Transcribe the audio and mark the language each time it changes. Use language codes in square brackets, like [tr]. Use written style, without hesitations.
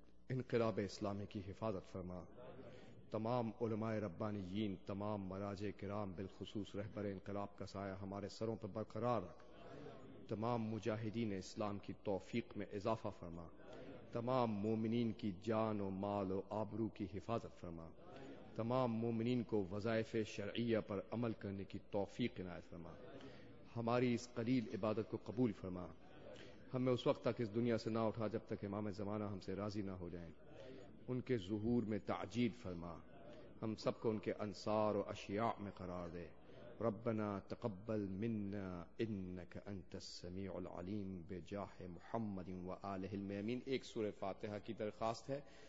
[ur] انقلاب اسلامی کی حفاظت فرما، تمام علماء ربانیین، تمام مراجع کرام، بالخصوص رہبر انقلاب کا سایہ ہمارے سروں پر برقرار رکھ، تمام مجاہدین اسلام کی توفیق میں اضافہ فرما، تمام مومنین کی جان و مال و آبرو کی حفاظت فرما، تمام مومنین کو وظائف شرعیہ پر عمل کرنے کی توفیق عنایت فرما، ہماری اس قلیل عبادت کو قبول فرما، ہمیں اس وقت تک اس دنیا سے نہ اٹھا جب تک امام زمانہ ہم سے راضی نہ ہو جائیں، ان کے ظہور میں تعجیل فرما، ہم سب کو ان کے انصار و اشیاء میں قرار دے، [ar] ربنا تقبل منا انك انت السميع العليم بجاه محمد وآله المؤمنين. [ur] ایک سورہ فاتحہ کی درخواست ہے.